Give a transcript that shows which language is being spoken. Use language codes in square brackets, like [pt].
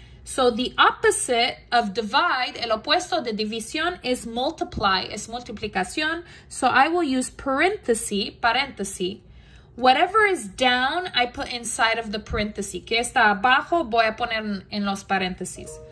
[en] So the opposite of divide, [es] el opuesto de división, [en] is multiply, [es] es multiplicación. [en] So I will use parenthesis, parenthesis. Whatever is down, I put inside of the parenthesis. [es] Que está abajo, voy a poner en los parentheses.